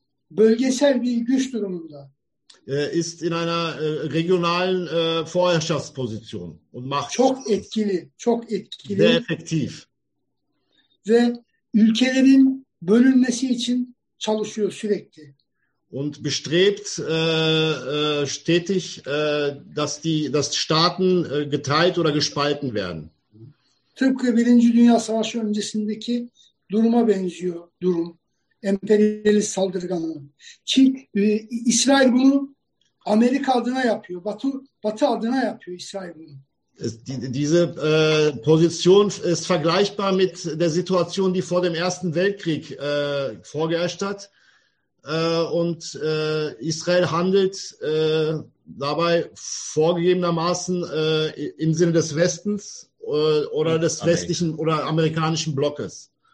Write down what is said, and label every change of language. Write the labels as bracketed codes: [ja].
[tr] bölgesel bir güç durumunda, [de] ist in einer regionalen Vorherrschaftsposition und macht [tr] çok etkili, çok etkili, [de] sehr effektiv. [tr] Ve ülkelerin bölünmesi için çalışıyor sürekli. [de] Und bestrebt stetig, dass Staaten geteilt oder gespalten werden. [tr] Tıpkı Birinci Dünya Savaşı öncesindeki duruma benziyor durum. Emperyalist saldırganlığı. İsrail bunu Amerika adına yapıyor. Batı adına yapıyor İsrail bunu. [de] Diese Position ist vergleichbar mit der Situation, die vor dem Ersten Weltkrieg vorgeherrscht hat. Und Israel handelt dabei vorgegebenermaßen im Sinne des Westens oder des westlichen oder amerikanischen Blockes.